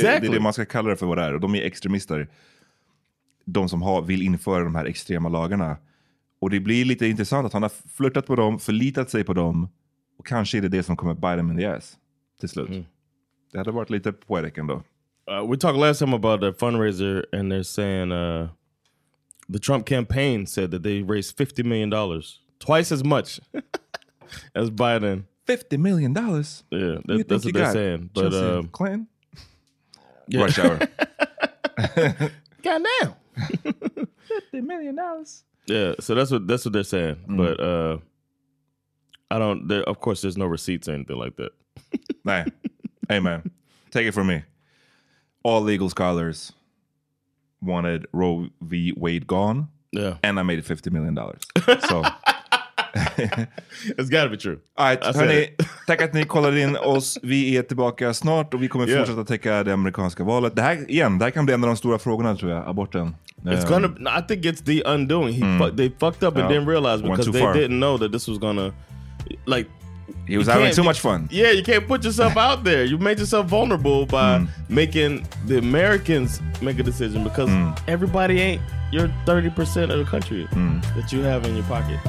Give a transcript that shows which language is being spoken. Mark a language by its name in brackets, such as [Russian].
[Swedish] Det är det man ska kalla det för vad det är. Och de är extremister. De som vill införa de här extrema lagarna. Och det blir lite intressant att han har flirtat på dem, förlitat sig på dem. Och kanske är det det som kommer [English] bite them in the ass [Swedish] till slut. Mm. Det hade varit lite poetic ändå. [English] We talked last time about the fundraiser, and they're saying the Trump campaign said that they raised $50 million, twice as much as Biden. $50 million? Yeah, that's what they're saying. But Clinton? Yeah. Rush hour. Goddamn. $50 million. Yeah, so that's what they're saying. Mm. But I don't, of course, there's no receipts or anything like that. Man. Hey, man. Take it from me. All legal scholars wanted Roe v. Wade gone. Yeah. And I made $50 million. So. It's got to be true. All right, [Swedish] hörni. Tack att ni kollade in oss. Vi är tillbaka snart och vi kommer fortsätta täcka det amerikanska valet. Det här, igen, det här kan bli en av de stora frågorna, tror jag. Aborten. [English] It's gonna, I think it's the undoing. They fucked up and didn't realize because they didn't know that this was gonna, like, he was having too much fun. Yeah, you can't put yourself out there. You made yourself vulnerable by making the Americans make a decision because everybody ain't your 30% of the country that you have in your pocket.